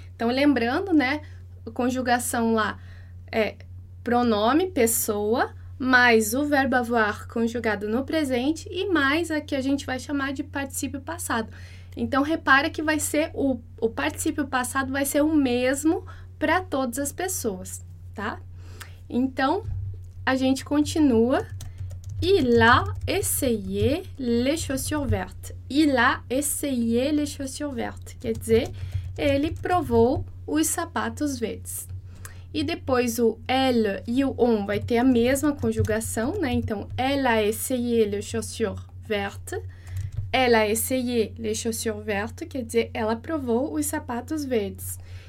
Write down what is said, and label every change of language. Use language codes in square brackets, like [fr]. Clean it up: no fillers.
[pt] Então, lembrando, né? Conjugação lá é pronome, pessoa, mais o verbo avoir conjugado no presente e mais a que a gente vai chamar de particípio passado. Então, repara que vai ser o particípio passado vai ser o mesmo para todas as pessoas, tá? Então, a gente continua. [fr] Il a essayé les chaussures vertes. Il a essayé les chaussures vertes. [pt] Quer dizer, ele provou os sapatos verdes. E depois o elle e o on vai ter a mesma conjugação, né? [fr] Então, elle a essayé les chaussures vertes. Elle a essayé les chaussures vertes, [pt] quer dizer, ela provou os sapatos verdes.